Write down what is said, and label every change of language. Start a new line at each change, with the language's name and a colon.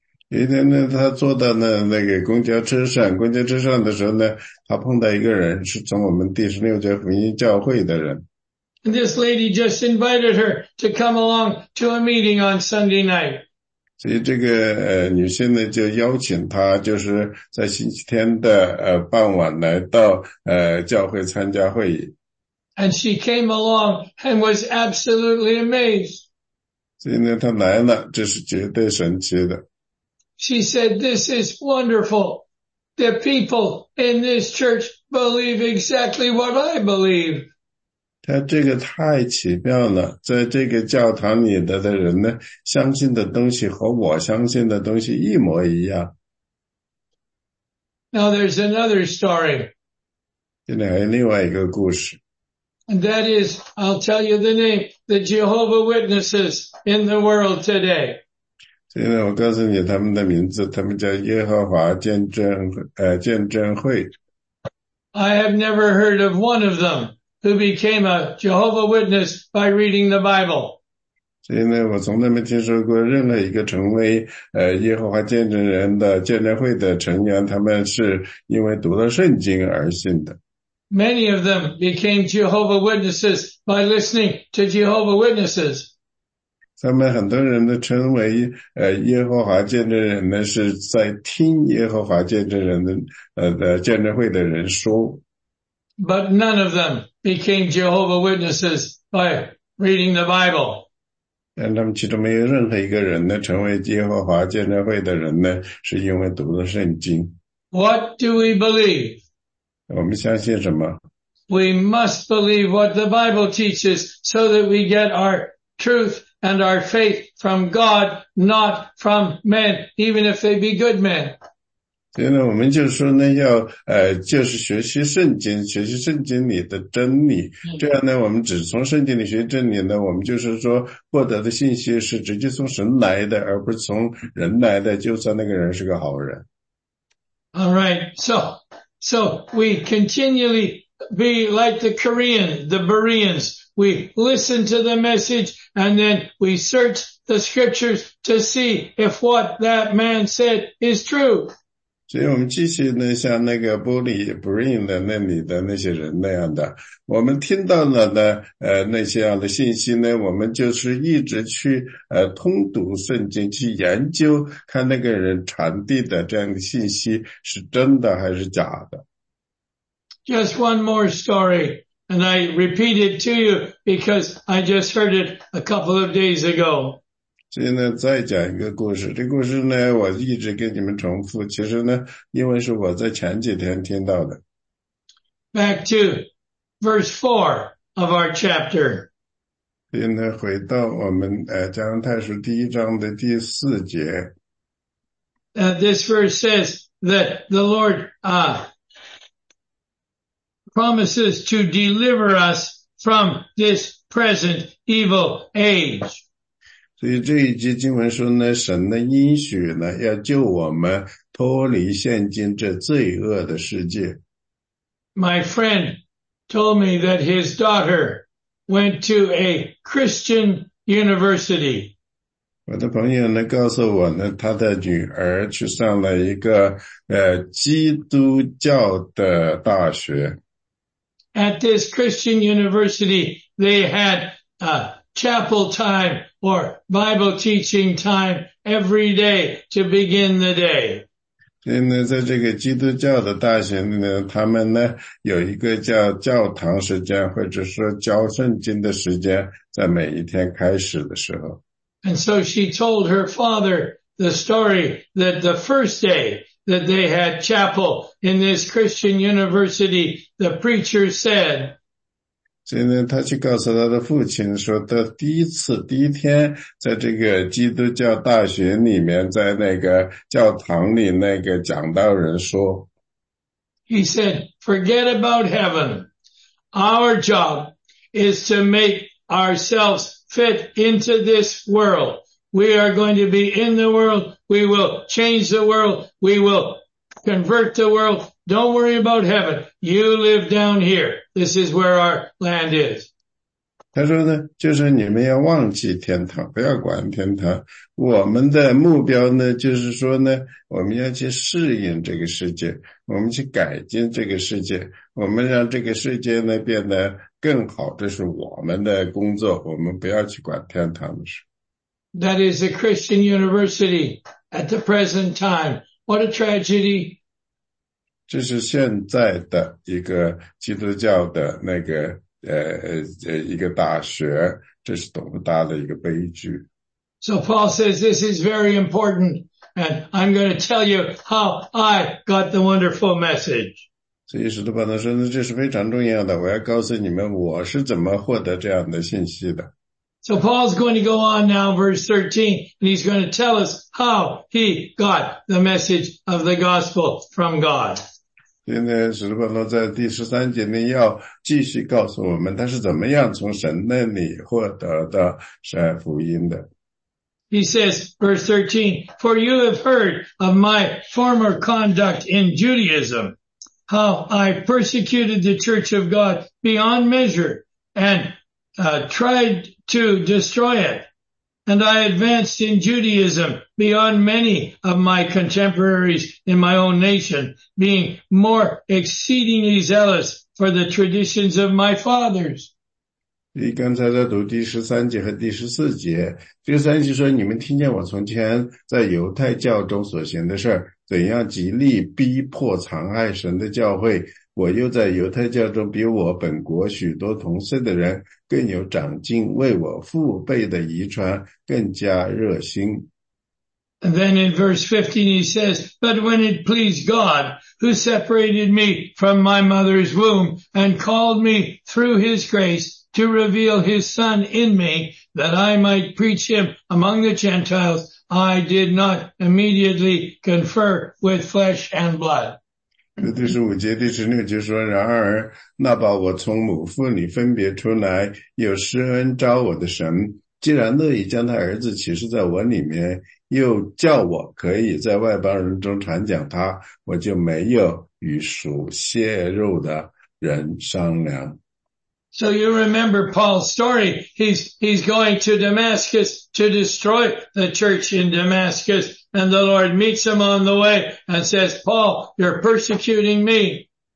Chinese: 有一天呢，他坐到那个公交车上的时候呢，他碰到一个人，是从我们第十六届福音教会的人。
English: And this lady just invited her to come along to a meeting on Sunday night.
Chinese: 所以这个女性呢，就邀请她，就是在星期天的傍晚来到教会参加会议。
English: And she came along and was absolutely amazed.
Chinese: 所以呢，她来了，这是绝对神奇的。
English: She said, this is wonderful. The people in this church believe exactly what I believe.
Chinese: 他这个太奇妙了，在这个教堂里的人呢，相信的东西和我相信的东西一模一样。
English: Now there's another story.
Chinese: 这里还有另外一个故事。
English: And that is, I'll tell you the name, the Jehovah Witnesses in the world today.
Chinese: 所以呢，我告诉你他们的名字，他们叫耶和华见证会。
English: I have never heard of one of them who became a Jehovah Witness by reading the Bible.
Chinese: 所以呢，我从来没听说过任何一个成为耶和华见证人的见证会的成员，他们是因为读了圣经而信的。
English: Many of them became Jehovah Witnesses by listening to Jehovah Witnesses.
Chinese: 他们很多人都称为耶和华见证人呢，是在听耶和华见证人的见证会的人说。
English: But none of them became Jehovah Witnesses by reading the Bible.
Chinese: 但他们其中没有任何一个人呢，成为耶和华见证会的人呢，是因为读了圣经。
English: What do we believe?
Chinese: 我们相信什么？
English: We must believe what the Bible teaches so that we get our truth. And our faith from God, not from men, even if they be good men.
Chinese: 所以呢，我们就说呢，要就是学习圣经，学习圣经里的真理。这样呢，我们只从圣经里学真理呢，我们就是说获得的信息是直接从神来的，而不是从人来的。就算那个人是个好人。
English: All right, so we continually be like the Koreans, the Bereans. We listen to the message and then we search the scriptures to see if what that man said is true.
Chinese: 所以我们继续呢，像那个波利 Bring 的那里的那些人那样的，我们听到了呢，那些样的信息呢，我们就是一直去通读圣经，去研究看那个人传递的这样的信息是真的还是假的。
English: Just one more story. And I repeat it to you because I just heard it a couple of days ago.
Chinese: 所以呢，再讲一个故事。这故事呢，我一直跟你们重复。其实呢，因为是我在前几天听到的。
English: back to verse 4 of our chapter.
Chinese: 现在回到我们加拉太书第一章的第四节。
English: This verse says that the Lord, promises to deliver us from this present evil age.
Chinese: 所以这一节经文说呢，神的应许呢，要救我们脱离现今这罪恶的世界。
English: My friend told me that his daughter went to a Christian university.
Chinese: 我的朋友呢，告诉我呢，他的女儿去上了一个基督教的大学。
English: At this Christian university, they had a chapel time or Bible teaching time every day to begin the day.
Chinese: 所以呢，在这个基督教的大学里呢，他们呢有一个叫教堂时间，或者说教圣经的时间，在每一天开始的时候。
English: And so she told her father the story that the first day that they had chapel in this Christian university, the preacher said.
Chinese: 所以呢，他去告诉他的父亲说，他第一天在这个基督教大学里面，在那个教堂里那个讲道人说。
English: He said, forget about heaven. Our job is to make ourselves fit into this world. We are going to be in the world. We will change the world. We will convert the world. Don't worry about heaven. You live down here. This is where our land is.
Chinese: 他说呢，就是你们要忘记天堂，不要管天堂。我们的目标呢，就是说呢，我们要去适应这个世界，我们去改进这个世界，我们让这个世界呢变得更好，这是我们的工作，我们不要去管天堂的事。
English: That is a Christian university at the present time. What a tragedy.
Chinese: 这是现在的一个基督教的那个一个大学，这是多么大的一个悲剧。
English: So Paul says this is very important, and I'm going to tell you how I got the wonderful message.
Chinese: 所以使徒保罗说呢，这是非常重要的，我要告诉你们我是怎么获得这样的信息的。
English: So Paul's going to go on now, verse 13, and he's going to tell us how he got the message of the gospel from God.
Chinese: 现在使徒保罗在第十三节呢，要继续告诉我们他是怎么样从神那里获得的福音的。
English: He says, verse 13, for you have heard of my former conduct in Judaism, how I persecuted the church of God beyond measure and tried to destroy it. And I advanced in Judaism beyond many of my contemporaries in my own nation, being more exceedingly zealous for the traditions of my fathers.
Chinese: 你刚才在读第十三节和第十四节，第十三节说，你们听见我从前在犹太教中所行的事，怎样极力逼迫残害神的教会。我又在犹太教中比我本国许多同岁的人更有长进，为我父辈的遗传更加热心。
English: And then in verse 15 he says, but when it pleased God, who separated me from my mother's womb and called me through his grace to reveal his son in me, that I might preach him among the Gentiles, I did not immediately confer with flesh and blood.
Chinese: 第十五节第十六节说，然而那把我从母腹里分别出来有施恩召我的神，既然乐意将他儿子启示在我里面，又叫我可以在外邦人中传讲他，我就没有与属血肉的人商量。
English: So you remember Paul's story. He's going to Damascus to destroy the church in Damascus. And the Lord meets him on the way and says, Paul, you're persecuting me.